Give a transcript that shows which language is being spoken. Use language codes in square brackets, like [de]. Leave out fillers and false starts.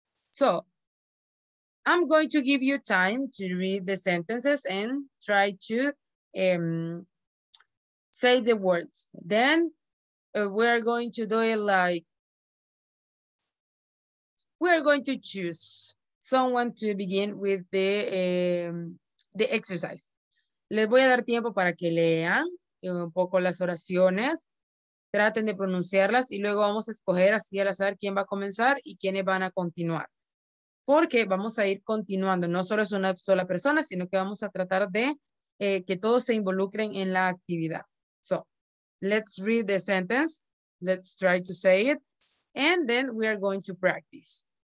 [en] So, I'm going to give you time to read the sentences and try to say the words. Then, we're going to do it like, we're going to choose someone to begin with the exercise. [es] Les voy a dar tiempo para que lean un poco las oraciones. Traten de pronunciarlas y luego vamos a escoger así al azar quién va a comenzar y quiénes van a continuar. Porque vamos a ir continuando, no solo es una sola persona, sino que vamos a tratar de que todos se involucren en la actividad. [en] So, let's read the sentence, let's try to say it, and then we are going to practice.